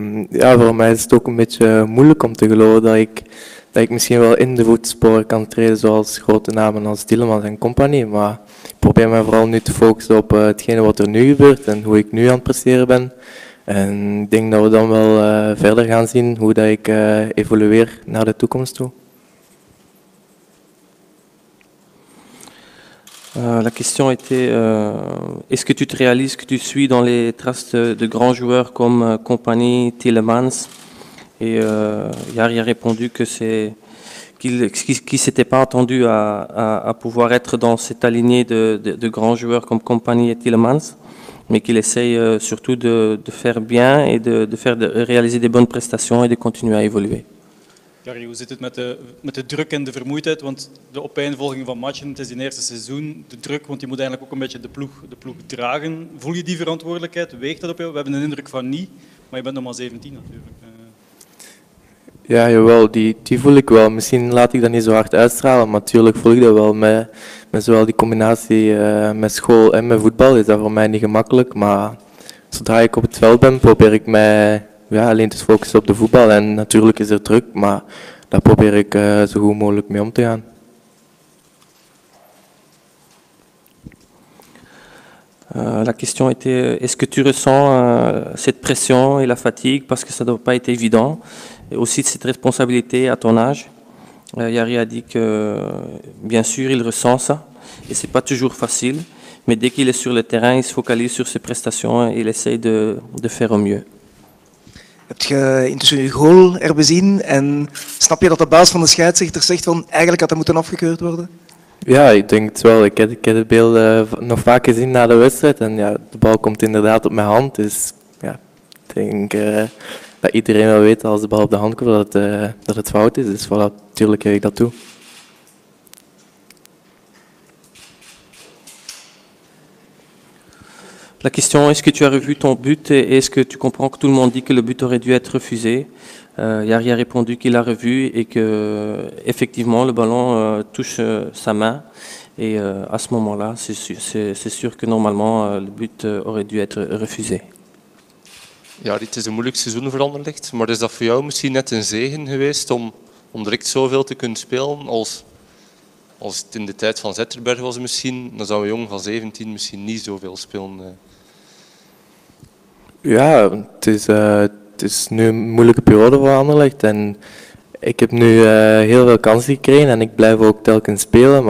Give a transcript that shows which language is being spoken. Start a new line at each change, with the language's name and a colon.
Dutch: Ja, voor mij is het ook een beetje moeilijk om te geloven dat ik misschien wel in de voetsporen kan treden zoals grote namen als Tielemans en compagnie. Maar ik probeer me vooral nu te focussen op hetgene wat er nu gebeurt en hoe ik nu aan het presteren ben. En ik denk dat we dan wel verder gaan zien hoe dat ik evolueer naar de toekomst toe.
French: La question était, est-ce que tu te réalises que tu suis dans les traces de grands joueurs comme Kompany, Tielemans? Et Yari a répondu qu'il ne s'était pas attendu à pouvoir être dans cette alignée de grands joueurs comme Kompany et Tielemans, mais qu'il essaye surtout de faire bien et de réaliser des bonnes prestations et de continuer à évoluer.
Dutch: Jari, hoe zit het met de druk en de vermoeidheid? Want de opeenvolging van matchen, het is in eerste seizoen, de druk, want je moet eigenlijk ook een beetje de ploeg dragen. Voel je die verantwoordelijkheid? Weegt dat op jou? We hebben een indruk van niet, maar je bent nog maar 17 natuurlijk. Ja, jawel, die voel ik wel. Misschien laat ik dat niet zo hard uitstralen, maar natuurlijk voel ik dat wel. Met zowel die combinatie met school en met voetbal is dat voor mij niet gemakkelijk. Maar zodra ik op het veld ben, probeer ik mij... Ja, alleen te focussen op de voetbal en natuurlijk is er druk, maar daar probeer ik zo goed mogelijk mee om te gaan.
French: La question était, est-ce que tu ressens cette pression et la fatigue, parce que ça n'a pas été évident, et aussi cette responsabilité à ton âge? Yari a dit que, bien sûr, il ressent ça, et ce n'est pas toujours facile, mais dès qu'il est sur le terrain, il se focalise sur ses prestations et il essaye de faire au mieux.
Dutch: Heb je intussen je goal herbezien en snap je dat de baas van de scheidsrechter zegt van eigenlijk had dat moeten afgekeurd worden? Ja, ik denk het wel. Ik heb het beeld nog vaak gezien na de wedstrijd en ja, de bal komt inderdaad op mijn hand. Dus ja, ik denk dat iedereen wel weet als de bal op de hand komt dat het fout is. Dus voilà, natuurlijk geef ik dat toe.
French: La question, est-ce que tu as revu ton but et est-ce que tu comprends que tout le monde dit que le but aurait dû être refusé? Yari a répondu qu'il a revu et que effectivement le ballon touche sa main. Et à ce moment-là, c'est sûr que normalement le but aurait dû être refusé.
Dutch: Yari, het is een moeilijk seizoen voor Anderlecht, maar is dat voor jou misschien net een zegen geweest om direct zoveel te kunnen spelen als het in de tijd van Zetterberg was misschien, dan zou een jongen van 17 misschien niet zoveel spelen. Ja, het is nu een moeilijke periode voor Anderlecht en ik heb nu heel veel kansen gekregen en ik blijf ook telkens spelen.